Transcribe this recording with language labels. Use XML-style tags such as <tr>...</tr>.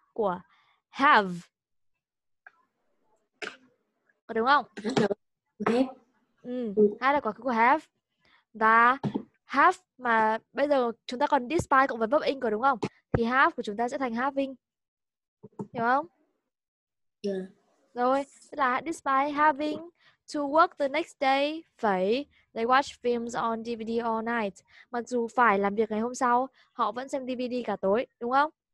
<vi>của have. Có đúng không? Hai là quá khứ của have. Và have mà bây giờ chúng ta còn despise cộng với verb ing, có đúng không? Thì have của chúng ta sẽ thành having. Hiểu không? Yeah. Rồi, tức là</vi> <en>despise having to work the next day,</en> <vi>phải</vi> <en>they watch films on DVD all night.</en> <vi>Mặc dù phải làm việc ngày hôm sau, họ vẫn xem DVD cả tối, đúng không?</vi>